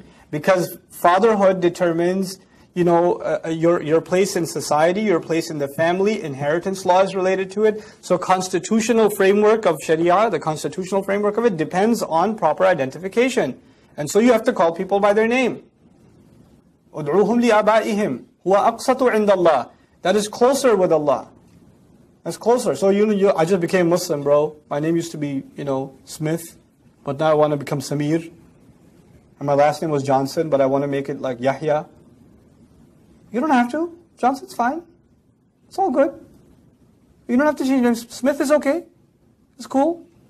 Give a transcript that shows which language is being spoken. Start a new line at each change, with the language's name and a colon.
English: Because fatherhood determines, you know, your place in society, your place in the family, inheritance law is related to it. So constitutional framework of Sharia, the constitutional framework of it, depends on proper identification. And so you have to call people by their name.
Arabic: أُدْعُوهُمْ لِأَبَائِهِمْ هُوَ أَقْسَطُ عِنْدَ اللَّهِ.
English: That is closer with Allah. That's closer. So you, I just became Muslim, bro. My name used to be, you know, Smith, but now I want to become Samir. And my last name was Johnson, but I want to make it like Yahya. You don't have to. Johnson's fine. It's all good. You don't have to change your name. Smith is okay. It's cool.